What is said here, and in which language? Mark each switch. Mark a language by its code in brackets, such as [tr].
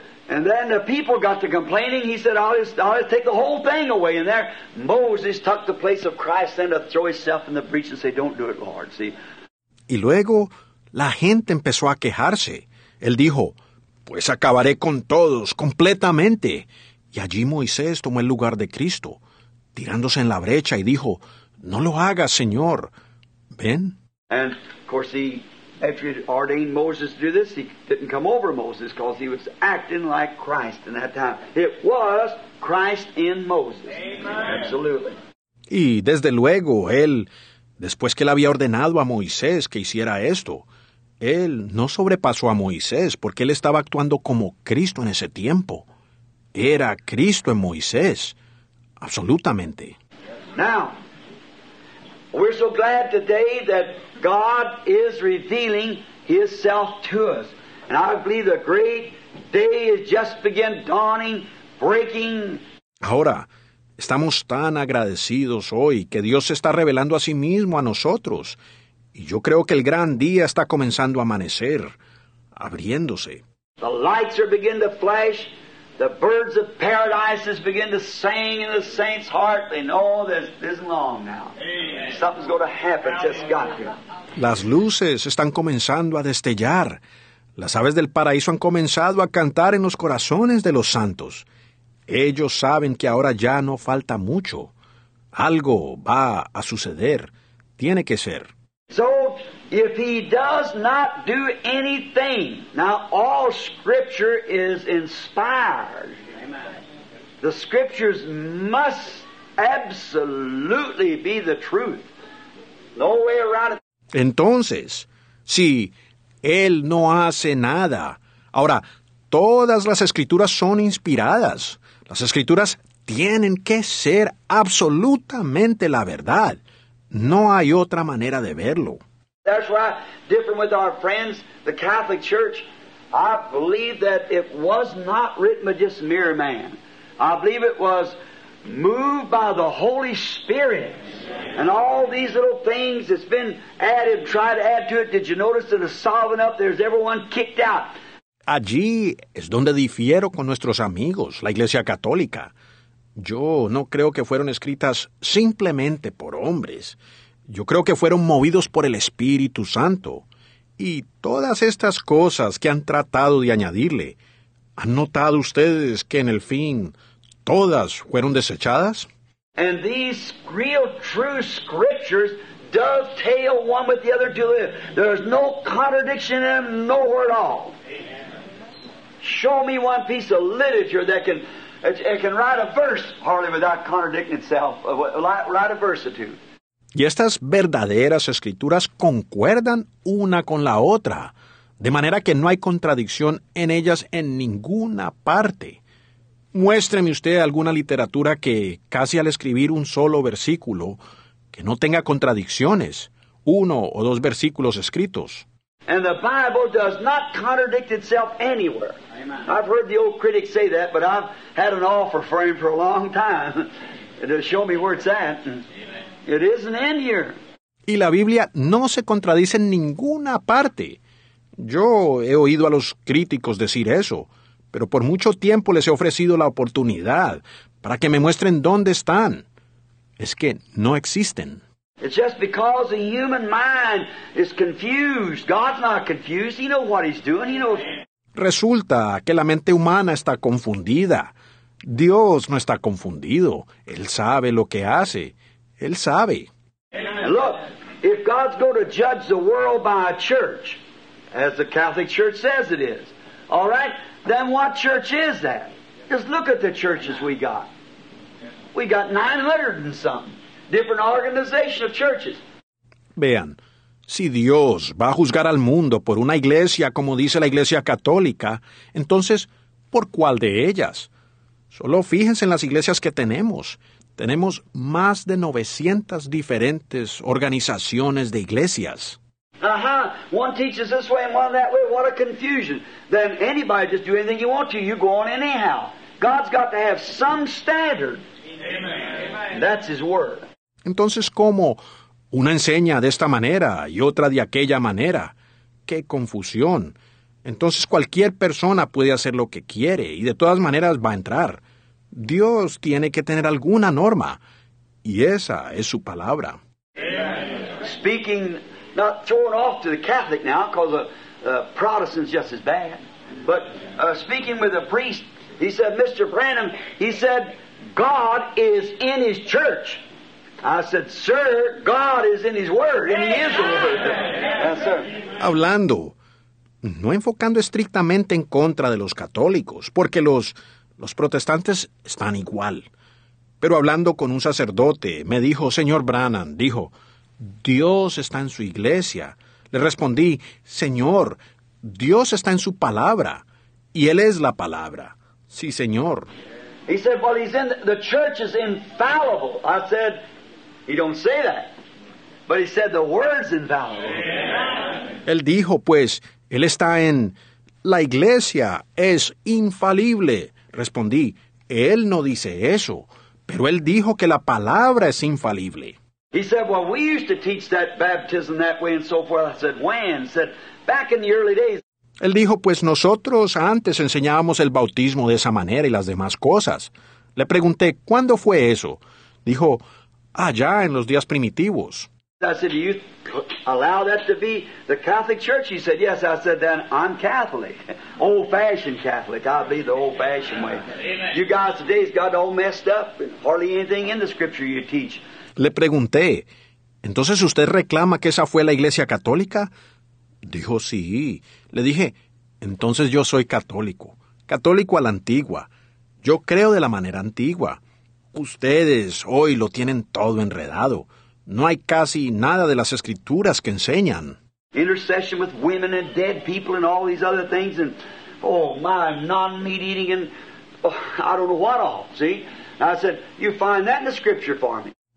[en] And then the people got to complaining. He said, I'll just take the whole thing away. And there Moses took the place of Christ then to throw himself in the breach and say, don't do it, Lord. See? [es] Y luego la gente empezó a quejarse. Él dijo, pues acabaré con todos, completamente. Y allí Moisés tomó el lugar de Cristo, tirándose en la brecha y dijo, no lo hagas, Señor. ¿Ven? [en] And of course after he ordained Moses to do this, he didn't come over Moses because he was acting like Christ in that time. It was Christ in Moses. Amen. Absolutely. [es] Y desde luego, él, después que él había ordenado a Moisés que hiciera esto, él no sobrepasó a Moisés porque él estaba actuando como Cristo en ese tiempo. Era Cristo en Moisés. Absolutamente. [en] Now, we're so glad today that God is revealing himself to us. And I believe the great day has just begun dawning, breaking. [es] Ahora, estamos tan agradecidos hoy que Dios se está revelando a sí mismo a nosotros. Y yo creo que el gran día está comenzando a amanecer, abriéndose. [en] The lights are beginning to flash. The birds of paradise begin to sing in the saints' heart. They know this isn't long now. Amen. Something's going to happen. Just got here. [es] Las luces están comenzando a destellar. Las aves del paraíso han comenzado a cantar en los corazones de los santos. Ellos saben que ahora ya no falta mucho. Algo va a suceder. Tiene que ser. [en] So, if he does not do anything, now all scripture is inspired. Amen. The scriptures must absolutely be the truth. No way around it. [es] Entonces, si él no hace nada, ahora, todas las escrituras son inspiradas. Las escrituras tienen que ser absolutamente la verdad. No hay otra manera de verlo. [en] That's why, different with our friends, the Catholic Church, I believe that it was not written by just mere man. I believe it was moved by the Holy Spirit. And all these little things that's been added, tried to add to it, did you notice that a solving up, there's everyone kicked out. [es] Allí es donde difiero con nuestros amigos, la Iglesia Católica. Yo no creo que fueron escritas simplemente por hombres. Yo creo que fueron movidos por el Espíritu Santo. Y todas estas cosas que han tratado de añadirle, ¿han notado ustedes que en el fin todas fueron desechadas? [en] And these real true scriptures dovetail one with the other to live. There's no contradiction in them nowhere at all. Show me one piece of literature that can write a verse hardly without contradicting itself, write a verse or two. [es] Y estas verdaderas escrituras concuerdan una con la otra, de manera que no hay contradicción en ellas en ninguna parte. Muéstreme usted alguna literatura que, casi al escribir un solo versículo, que no tenga contradicciones, uno o dos versículos escritos. [en] And the Bible does not contradict itself anywhere. Amen. I've heard the old critic say that, but I've had an offer for him for a long time to show me where it's at. It isn't in here. [es] Y la Biblia no se contradice en ninguna parte. Yo he oído a los críticos decir eso, pero por mucho tiempo les he ofrecido la oportunidad para que me muestren dónde están. Es que no existen. [en] It's just because the human mind is confused. God's not confused. He knows what he's doing. He knows. [es] Resulta que la mente humana está confundida. Dios no está confundido. Él sabe lo que hace. Él sabe. [en] And look, if God's going to judge the world by a church, as the Catholic Church says it is, all right, then what church is that? Just look at the churches we got. We got 900 and something different organizations of churches. [es] Vean, si Dios va a juzgar al mundo por una iglesia, como dice la Iglesia Católica, entonces, ¿por cuál de ellas? Solo fíjense en las iglesias que tenemos. Tenemos más de 900 diferentes organizaciones de iglesias. [en] Ajá, one teaches this way and one that way. What a confusion. Then anybody just do anything you want to. You go on anyhow. God's got to have some standard. Amen. That's his word. [es] Entonces, ¿cómo una enseña de esta manera y otra de aquella manera? ¡Qué confusión! Entonces, cualquier persona puede hacer lo que quiere y de todas maneras va a entrar. Dios tiene que tener alguna norma, y esa es su palabra. [en] Amen. Speaking, not throwing off to the Catholic now, because the Protestant's just as bad, but speaking with a priest, he said, Mr. Branham, he said, God is in his church. I said, sir, God is in his word, and he is the word. Yes, sir. [es] Hablando, no enfocando estrictamente en contra de los católicos, porque los protestantes están igual. Pero hablando con un sacerdote, me dijo, señor Branham, dijo, Dios está en su iglesia. Le respondí, señor, Dios está en su palabra, y él es la palabra. Sí, señor. [en] He said, well, he's in the church is infallible. I said, he don't say that. But he said, the word's infallible. Yeah. [es] Él dijo, pues, él está en la iglesia, es infalible. Respondí, él no dice eso, pero él dijo que la palabra es infalible. [en] He said, well, we used to teach that baptism that way and so forth. I said, when? He said, back in the early days. [es] Él dijo, pues nosotros antes enseñábamos el bautismo de esa manera y las demás cosas. Le pregunté, ¿cuándo fue eso? Dijo, allá en los días primitivos. [en] I said, do you allow that to be the Catholic Church? He said, yes. I said, then I'm Catholic, old-fashioned Catholic. I believe the old-fashioned way. Amen. You guys today's got all messed up and hardly anything in the Scripture you teach. [es] Le pregunté, ¿entonces usted reclama que esa fue la Iglesia Católica? Dijo, sí. Le dije, entonces yo soy católico, católico a la antigua. Yo creo de la manera antigua. Ustedes hoy lo tienen todo enredado. No hay casi nada de las escrituras que enseñan. [en] Intercession with women and dead people and all these other things and, oh, my, non-meat eating and, oh, I don't know what all, see? And I said, you find that in the scripture for me.